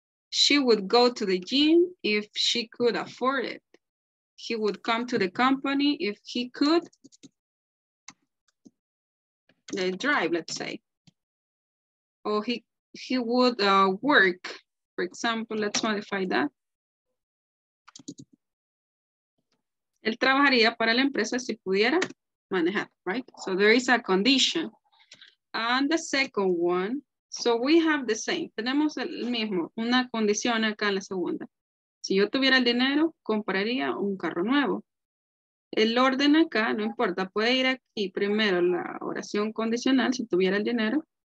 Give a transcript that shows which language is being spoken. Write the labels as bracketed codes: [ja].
[en] She would go to the gym if she could afford it. he would come to the company if he could drive, let's say. Or he would work, for example, let's modify that. [es] Él trabajaría para la empresa si pudiera manejar, right? [en] So there is a condition. And the second one, so we have the same. [es] Tenemos el mismo, una condición acá en la segunda. Si yo tuviera el dinero, compraría un carro nuevo. El orden acá, no importa, puede ir aquí primero la oración condicional, si tuviera el dinero.